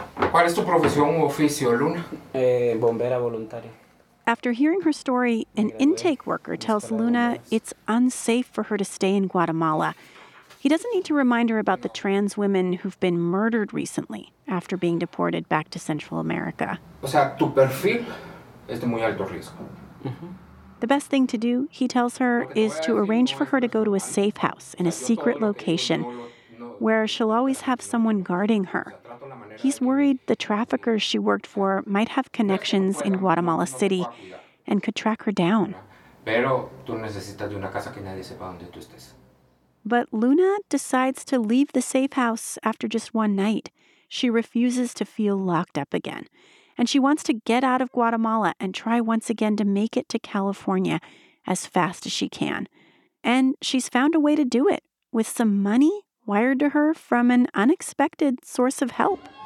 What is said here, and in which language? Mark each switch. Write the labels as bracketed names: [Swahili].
[Spanish] ¿Cuál es tu profesión o oficio, Luna? Bombera voluntaria. [English] After hearing her story, an intake worker tells Luna it's unsafe for her to stay in Guatemala. He doesn't need to remind her about the trans women who've been murdered recently after being deported back to Central America. [Spanish] O sea, tu perfil es de muy alto riesgo. [English] The best thing to do, he tells her, is to arrange for her to go to a safe house in a secret location where she'll always have someone guarding her. He's worried the traffickers she worked for might have connections in Guatemala City and could track her down. [Spanish] Pero tú necesitas de una casa que nadie sepa dónde tú estés. [English] But Luna decides to leave the safe house after just one night. She refuses to feel locked up again. And she wants to get out of Guatemala and try once again to make it to California as fast as she can. And she's found a way to do it, with some money wired to her from an unexpected source of help.